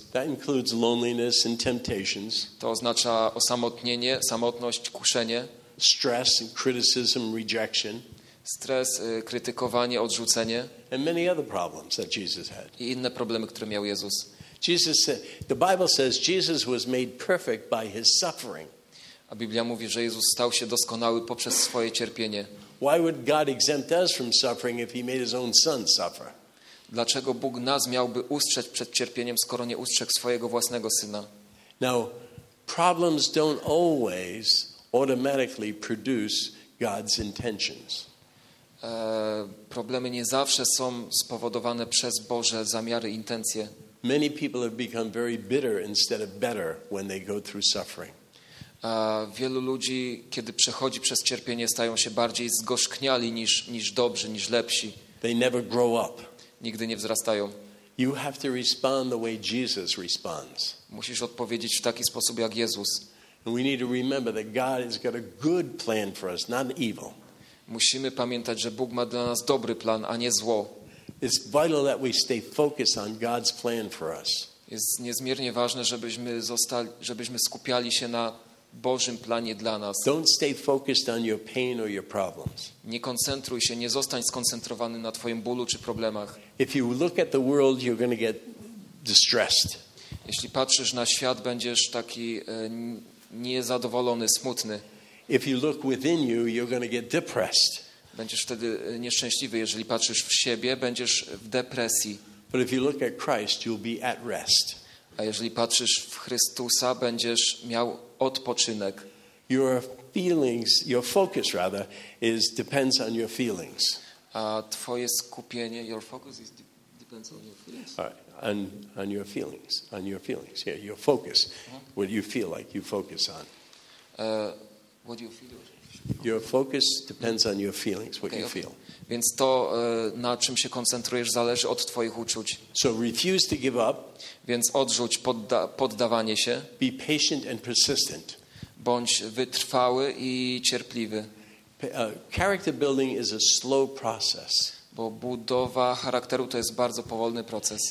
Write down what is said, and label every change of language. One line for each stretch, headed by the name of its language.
English: That includes loneliness and temptations.
Polish: To oznacza osamotnienie, samotność, kuszenie.
English: Stress and criticism, rejection.
Polish: Stres, krytykowanie, odrzucenie.
English: And many other problems that Jesus had.
Polish: I inne problemy, które miał Jezus.
English: Jesus, the Bible says Jesus was made perfect by his suffering.
Polish: A Biblia mówi, że Jezus stał się doskonały poprzez swoje cierpienie.
English: Why would God exempt us from suffering if he made his own son suffer?
Polish: Dlaczego Bóg nas miałby ustrzec przed cierpieniem, skoro nie ustrzegł swojego własnego syna?
English: Now, problems don't always automatically produce God's intentions.
Polish: Problemy nie zawsze są spowodowane przez Boże zamiary, intencje.
English: Many people have become very bitter instead of better when they go through suffering.
Polish: Wielu ludzi, kiedy przechodzi przez cierpienie, stają się bardziej zgorzkniali niż dobrzy, niż lepsi.
English: They never grow up.
Polish: Nigdy nie wzrastają.
English: You have to respond the way Jesus responds.
Polish: Musisz odpowiedzieć w taki sposób jak Jezus.
English: And we need to remember that God has got a good plan for us, not evil.
Polish: Musimy pamiętać, że Bóg ma dla nas dobry plan, a nie zło.
English: It's vital that we stay focused on God's plan for us.
Polish: Jest niezmiernie ważne, żebyśmy skupiali się na Bożym planie dla nas.
English: Don't stay focused on your pain or your problems.
Polish: Nie koncentruj się, nie zostań skoncentrowany na twoim bólu czy problemach.
English: If you look at the world, you're going to get distressed.
Polish: Jeśli patrzysz na świat, będziesz taki niezadowolony, smutny.
English: If you look within you, you're going to get depressed.
Polish: Będziesz wtedy nieszczęśliwy, jeżeli patrzysz w siebie, będziesz w depresji.
English: But if you look at Christ, you'll be at rest.
Polish: A jeżeli patrzysz w Chrystusa, będziesz miał odpoczynek.
English: Your feelings, your focus rather, is depends on your feelings.
Polish: A twoje skupienie,
English: your focus is depends on your feelings. Right. On your feelings, on your feelings. Yeah, your focus. Uh-huh. What you feel like you focus on. What do you feel? Your focus depends on your feelings, what okay, you okay. feel.
Polish: Więc to, na czym się koncentrujesz, zależy od twoich uczuć.
English: So refuse to give up.
Polish: Więc odrzuć poddawanie się.
English: Be patient and persistent.
Polish: Bądź wytrwały i cierpliwy.
English: Character building is a slow process.
Polish: Bo budowa charakteru to jest bardzo powolny proces.